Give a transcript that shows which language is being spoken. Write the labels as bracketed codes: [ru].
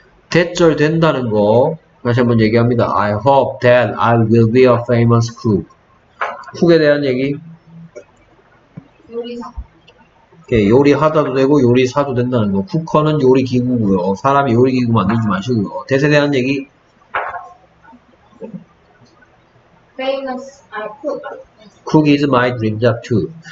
[ko] 대절 된다는 거 다시 한번 얘기합니다. [en] I hope that I will be a famous cook. [ko] 쿡에 대한 얘기. 요리사. 요리하다도 되고 요리사도 된다는 거. 쿠커는 요리기구고요. 사람이 요리기구 만들지 마시고요. 대세 대한 얘기. [en] Famous cook. Cook is my dream job too.